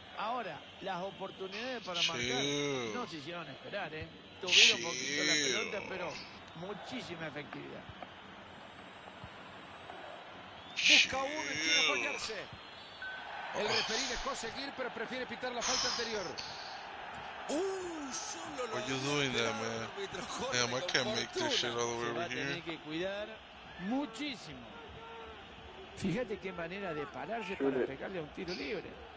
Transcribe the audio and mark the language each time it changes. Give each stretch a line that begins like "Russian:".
Spanish: Ahora, las oportunidades para marcar no se hicieron esperar, ¿eh? Tuvieron poquito la pelota, pero muchísima efectividad. Busca uno y quiere apoyarse. El referí dejó seguir, pero prefiere pitar la falta anterior. Solo lo
English: What are you doing there, man? Damn, I can't make this shit all the way over here.
Spanish: Tiene que cuidar muchísimo. Fíjate qué manera de pararse para pegarle a un tiro libre.